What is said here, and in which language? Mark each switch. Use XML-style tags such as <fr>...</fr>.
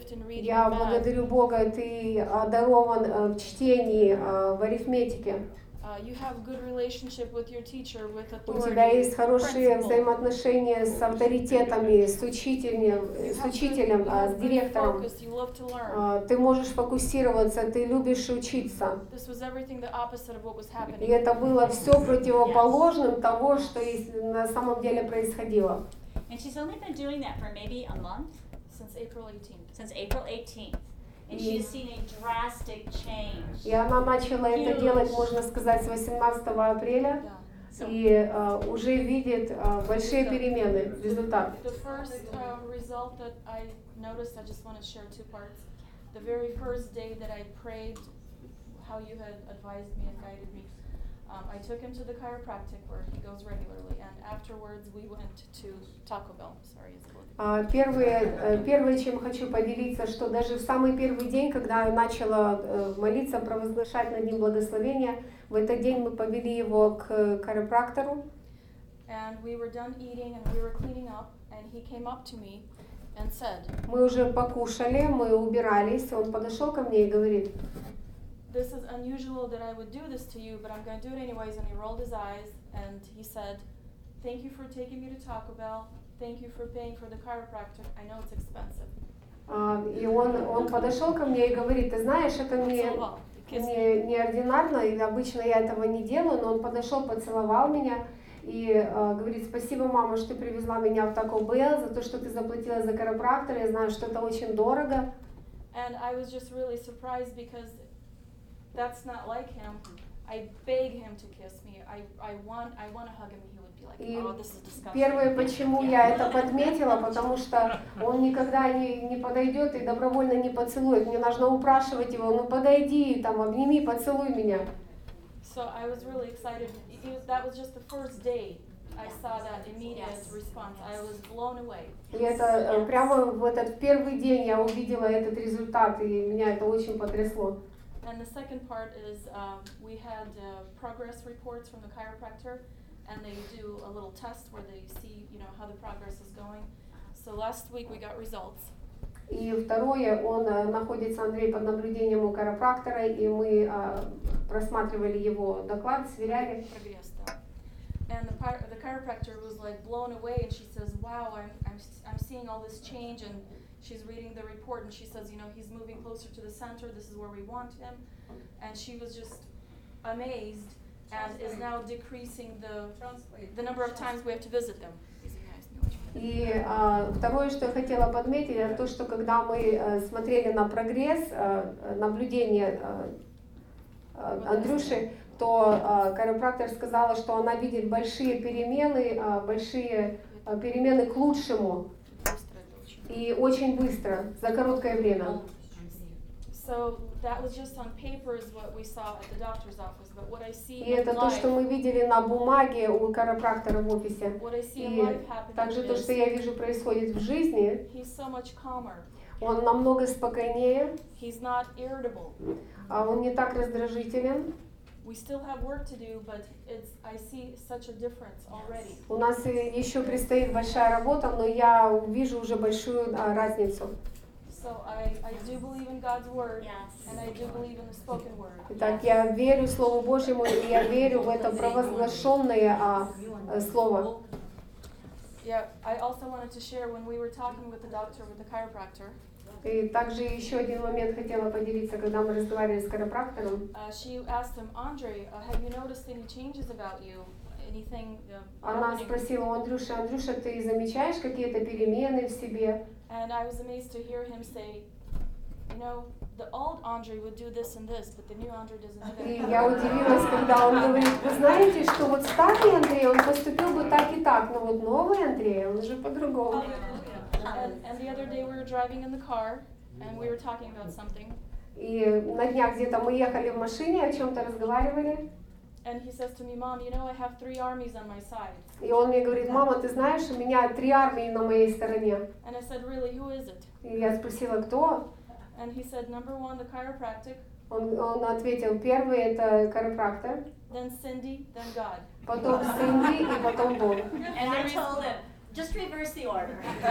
<ru>Я благодарю Бога, ты одарован в чтении, в арифметике.</ru> <en>You have good relationship with your teacher, with authority.</en> <ru>У тебя есть хорошие взаимоотношения с авторитетами, с учителем, с директором. Ты можешь фокусироваться, ты любишь учиться.</ru> <en>This was everything the opposite of what was happening.</en> <ru>И это было все противоположным того, что на самом деле происходило.</ru> <en>And she's only been doing that for maybe a month. Since April 18th. Since April 18th. And she's seen a drastic change.</en> <ru>И она начала это делать, можно сказать, с 18 апреля. и уже видит большие перемены, результат.</ru> <en>The first result that I noticed, I just want to share two parts. The very first day that I prayed, how you had advised me and guided me, I took him to the chiropractic where he goes regularly, and afterwards we went to Taco Bell. Sorry, it's</en> <ru>Первое, чем хочу поделиться, что даже в самый первый день, когда я начала молиться, провозглашать над ним благословение, в этот день мы повели его к хиропрактору.</ru> <en>And we were done eating and we were cleaning up, and he came up to me and said.</en> <ru>Мы уже покушали, мы убирались, он подошел ко мне и говорит.</ru> <en>This is unusual that I would do this to you, but I'm going to do it anyways. And he rolled his eyes and he said, "Thank you for taking me to Taco Bell. Thank you for paying for the chiropractor. I know it's expensive."</en> <ru>И он подошел ко мне и говорит, ты знаешь, это мне неординарно, и обычно я этого не делаю, но он подошел, поцеловал меня и говорит, спасибо, мама, что ты привезла меня в Taco Bell, за то, что ты заплатила за хиропрактор, я знаю, что это очень дорого.</ru> <en>And I was just really surprised because that's not like him. I beg him to kiss me. I want to hug him.</en> <ru>И первое, почему я это подметила, потому что он никогда не подойдет и добровольно не поцелует. Мне нужно упрашивать его, ну подойди, там, обними, поцелуй меня.</ru> <en>So I was really excited. That was just the first day I saw that immediate response. I was blown away.</en> <ru>И это прямо в этот первый день я увидела этот результат, и меня это очень потрясло.</ru> <en>And the second part is we had progress reports from the chiropractor. And they do a little test where they see, you know, how the progress is going. So last week we got results.</en> <ru>И второе, он находится, Андрей, под наблюдением у хиропрактора, и мы просматривали его доклад, сверяли. Прогресс, да.</ru> <en>And the chiropractor was like blown away, and she says, "Wow, I'm seeing all this change." And she's reading the report, and she says, "You know, he's moving closer to the center. This is where we want him." And she was just amazed. And is now decreasing the number of times we have to visit them.</en> <ru>И второе, что я хотела подметить, это то, что когда мы смотрели на прогресс, наблюдение Андрюши, то хиропрактор сказала, что она видит большие перемены к лучшему и очень быстро, за короткое время.</ru> <en>So that was just on paper is what we saw at the doctor's office, but what I see in life.</en> <ru>И это то, что мы видели на бумаге у хиропрактора в офисе.</ru> <en>What I see in life happening.</en> <ru>Также то, что я вижу происходит в жизни.</ru> <en>He's so much calmer.</en> <ru>Он намного спокойнее.</ru> <en>He's not irritable.</en> <ru>А он не так раздражителен.</ru> <en>We still have work to do, but I see such a difference already.</en> <ru>У нас еще предстоит большая работа, но я вижу уже большую разницу.</ru> <en>So I do believe in God's word, and I do believe in the spoken word.</en> <ru>Итак, я верю Слову Божьему, и я верю в это провозглашенное слово.</ru> <en>Yeah, I also wanted to share when we were talking with the doctor, with the chiropractor.</en> <ru>И также еще один момент хотела поделиться, когда мы разговаривали с хиропрактором.</ru> <en>She asked him, Andre, have you noticed any changes about you? Anything?</en> <ru>Она спросила у Андрюши, Андрюша, ты замечаешь какие-то перемены в себе?</ru> <en>And I was amazed to hear him say, you know, the old Andre would do this and this, but the new Andre doesn't do that.</en> <ru>И я удивилась, когда он говорит, вы знаете, что вот старый Андрей, он поступил бы так и так, но вот новый Андрей, он уже по-другому.</ru> <en>And the other day we were driving in the car, and we were talking about something.</en> <ru>И на днях где-то мы ехали в машине, о чем-то разговаривали.</ru> <en>And he says to me, Mom, you know, I have three armies on my side.</en> <ru>И он мне говорит, мама, ты знаешь, у меня три армии на моей стороне.</ru> <en>And I said, really, who is it?</en> <ru>И я спросила, кто?</ru> <en>And he said, number one, the chiropractic.</en> <ru>Он ответил, первый это хиропрактор.</ru> <en>Then Cindy, then God.</en> <ru>Потом Cindy и потом Бог.</ru> <en>And I told him, just reverse the order.</en>